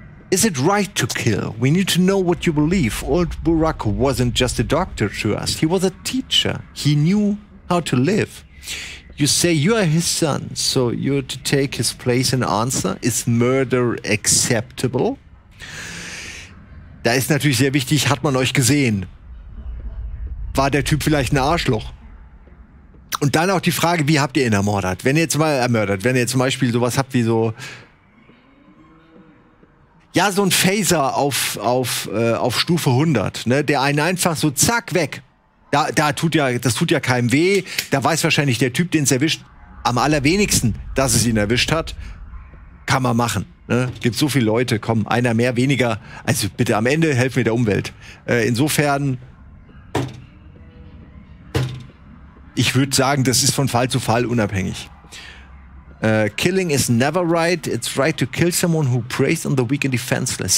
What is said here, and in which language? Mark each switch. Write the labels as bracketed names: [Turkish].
[English] Is it right to kill? We need to know what you believe. Old Burak wasn't just a doctor to us. He was a teacher. He knew how to live. You say you are his son, so you're to take his place and answer. Is murder acceptable? [German] Da ist natürlich sehr wichtig, hat man euch gesehen? War der Typ vielleicht ein Arschloch? Und dann auch die Frage, wie habt ihr ihn ermordet? Wenn ihr jetzt mal ermordet, wenn ihr zum Beispiel sowas habt wie so... Ja, so ein Phaser auf Stufe 100, ne? Der einen einfach so zack weg. Das tut ja keinem weh. Da weiß wahrscheinlich der Typ, den es erwischt, am allerwenigsten, dass es ihn erwischt hat. Kann man machen. Ne? Gibt so viele Leute, komm, einer mehr, weniger. Also bitte am Ende helfen wir der Umwelt. Insofern, ich würde sagen, das ist von Fall zu Fall unabhängig. [English] Killing is never right. It's right to kill someone who preys on the weak and defenseless.